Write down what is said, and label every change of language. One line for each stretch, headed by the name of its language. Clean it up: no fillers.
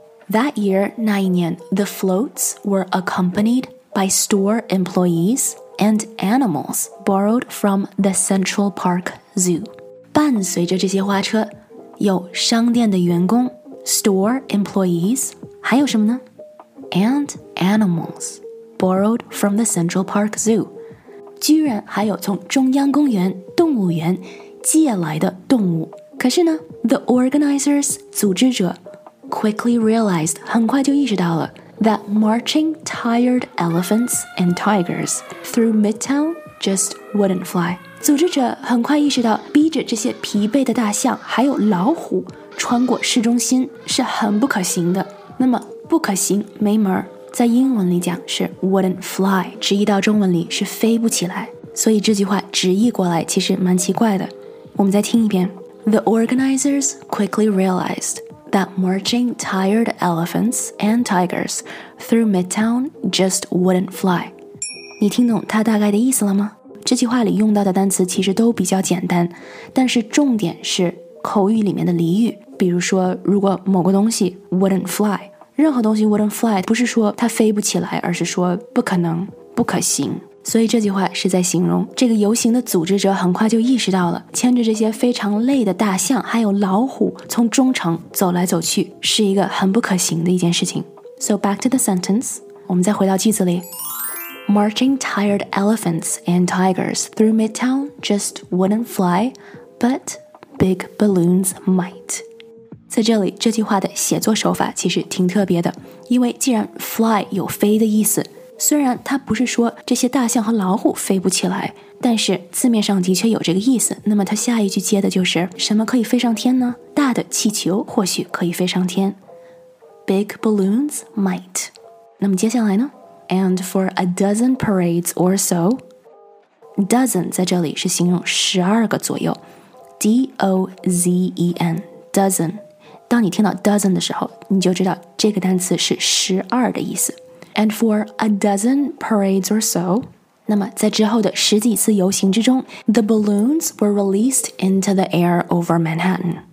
English: That year,
Chinese: 那一年,
English: the floats were accompanied by store employees and animals borrowed from the Central Park Zoo.
Chinese: 伴随着这些花车,有商店的员工,
English: store employees,
Chinese: 还有什么呢?
English: And animals borrowed from the Central Park Zoo.
Chinese: 居然还有从中央公园动物园借来的动物。可是呢,
English: the organizers,
Chinese: 组织者,
English: quickly realized,
Chinese: 很快就意识到了
English: that marching tired elephants and tigers through Midtown just wouldn't fly.
Chinese: 组织者很快意识到逼着这些疲惫的大象还有老虎穿过市中心是很不可行的。那么不可行没门在英文里讲是 wouldn't fly, 直译到中文里是飞不起来。所以这句话直译过来其实蛮奇怪的。我们再听一遍。
English: The organizers quickly realizedThat marching tired elephants and tigers through Midtown just wouldn't fly.
Chinese: 你听懂它大概的意思了吗？这句话里用到的单词其实都比较简单，但是重点是口语里面的俚语。比如说，如果某个东西 wouldn't fly， 任何东西 wouldn't fly 不是说它飞不起来，而是说不可能、不可行。所以这句话是在形容这个游行的组织者很快就意识到了牵着这些非常累的大象还有老虎从中城走来走去是一个很不可行的一件事情。
English: So back to the sentence,
Chinese: 我们再回到句子里。
English: Marching tired elephants and tigers through Midtown just wouldn't fly, but big balloons might.
Chinese: 在这里，这句话的写作手法其实挺特别的，因为既然 fly 有飞的意思，虽然它不是说这些大象和老虎飞不起来，但是字面上的确有这个意思，那么它下一句接的就是什么可以飞上天呢？大的气球或许可以飞上天。
English: Big balloons might.
Chinese: 那么接下来呢？
English: And for a dozen parades or so.
Chinese: Dozen 在这里是形容十二个左右， D-O-Z-E-N, dozen. 当你听到 dozen 的时候，你就知道这个单词是十二的意思。
English: And for a dozen parades or so,
Chinese: 那么在之后的十几次游行之中，
English: the balloons were released into the air over Manhattan.